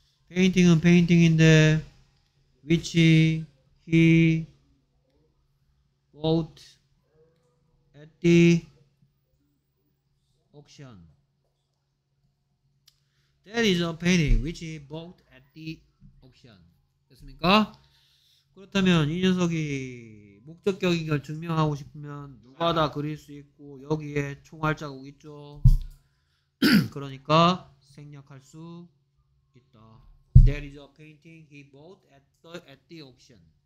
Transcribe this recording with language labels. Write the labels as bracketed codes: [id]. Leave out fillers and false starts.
[en] Painting은 painting인데, which he bought at the auction. That is a painting which he bought at the auction. [ko] 됐습니까? 그렇다면 이 녀석이 목적격인 걸 증명하고 싶으면 누가 다 그릴 수 있고 여기에 총알 자국 있죠. 그러니까 생략할 수 있다. [en] There is a painting he bought at the auction.